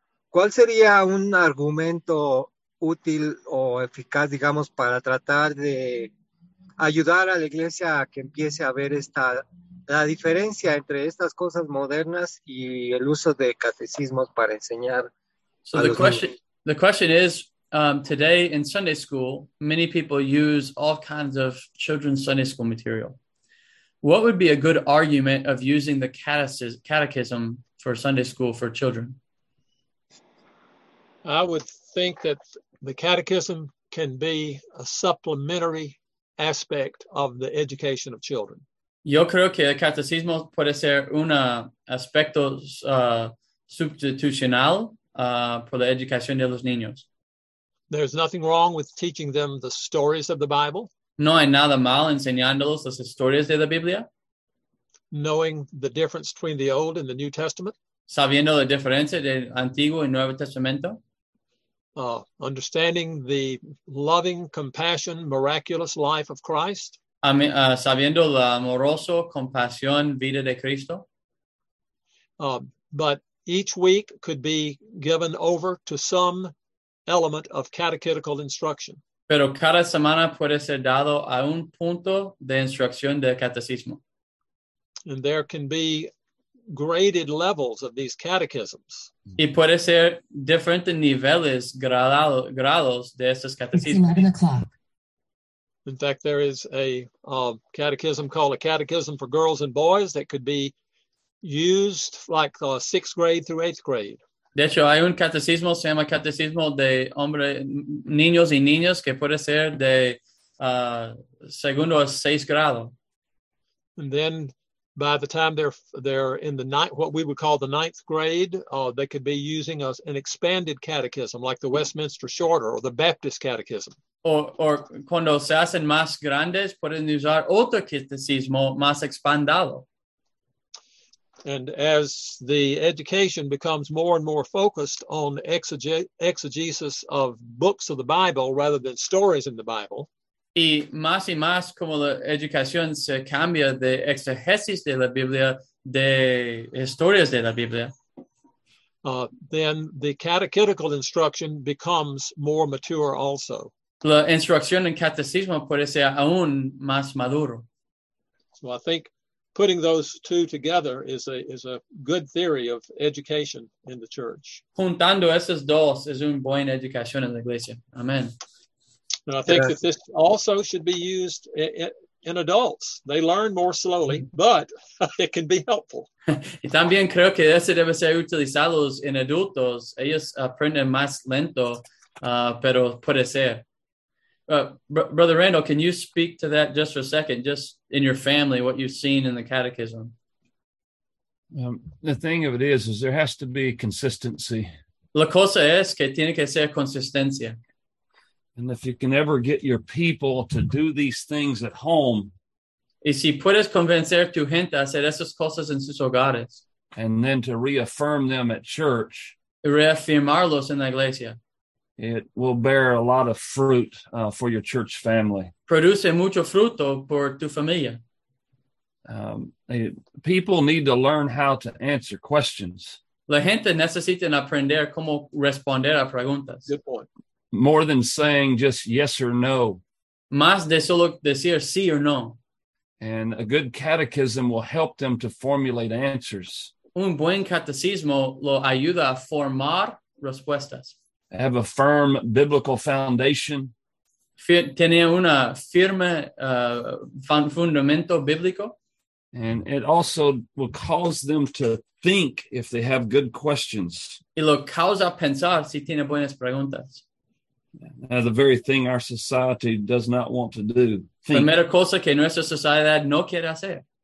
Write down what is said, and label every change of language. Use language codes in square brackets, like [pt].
[es] ¿Cuál sería un argumento útil o eficaz, digamos, para tratar de ayudar a la iglesia a que empiece a ver esta, la diferencia entre estas cosas modernas y el uso de catecismos para enseñar a los niños? [en] The question is, today in Sunday school, many people use all kinds of children's Sunday school material. What would be a good argument of using the catechism for Sunday school for children? I would think that the catechism can be a supplementary aspect of the education of children. [es] Yo creo que el catecismo puede ser un aspecto sustitucional por la educación de los niños. [en] There's nothing wrong with teaching them the stories of the Bible. [es] No hay nada mal enseñándolos las historias de la Biblia. [en] Knowing the difference between the Old and the New Testament. [es] Sabiendo la diferencia del Antiguo y Nuevo Testamento. [en] Understanding the loving, compassion, miraculous life of Christ. [es] Sabiendo la amoroso, compasión, vida de Cristo. [en] But each week could be given over to some element of catechetical instruction. [es] Pero cada semana puede ser dado a un punto de instrucción del catecismo. [en] And there can be graded levels of these catechisms. [es] Y puede ser diferentes niveles, grados de estos catecismos. [en] It's 11 o'clock. In fact, there is a catechism called a catechism for girls and boys that could be used like the sixth grade through eighth grade. [es] De hecho, hay un catecismo, se llama catecismo de hombre, niños y niñas, que puede ser de segundo a sexto grado. [en] And then by the time they're in the ninth, what we would call the ninth grade, they could be using an expanded catechism like the Westminster Shorter or the Baptist Catechism. [es] O cuando se hacen más grandes, pueden usar otro catecismo más expandado. [en] And as the education becomes more and more focused on exegesis of books of the Bible rather than stories in the Bible. [es] Y más como la educación se cambia de exegesis de la Biblia, de historias de la Biblia. [en] Then the catechetical instruction becomes more mature also. [es] La instrucción en catecismo puede ser aún más maduro. [en] So I think putting those two together is a good theory of education in the church. [es] Juntando esas dos es un buen educación en la iglesia. [en] Amen. And I think that this also should be used in adults. They learn more slowly, but it can be helpful. [es] Y también creo que ese debe ser utilizado en adultos. Ellos aprenden más lento, pero puede ser. [en] Brother Randall, can you speak to that just for a second, just in your family, what you've seen in the catechism? The thing of it is there has to be consistency. [es] La cosa es que tiene que ser consistencia. [en] And if you can ever get your people to do these things at home. [es] Y si puedes convencer tu gente a hacer esas cosas en sus hogares. [en] And then to reaffirm them at church. [es] Reafirmarlos en la iglesia. [en] It will bear a lot of fruit for your church family. [es] Produce mucho fruto por tu familia. [en] People need to learn how to answer questions. [es] La gente necesita aprender cómo responder a preguntas. [en] Good point. More than saying just yes or no. [es] Más de solo decir sí or no. [en] And a good catechism will help them to formulate answers. [es] Un buen catecismo lo ayuda a formar respuestas. [en] Have a firm biblical foundation. [es] Tener una firme fundamento bíblico. [en] And it also will cause them to think if they have good questions. [es] Y lo causa pensar si tiene buenas preguntas. [en] The very thing our society does not want to do. Think. [es] Primera cosa que nuestra sociedad no quiere hacer.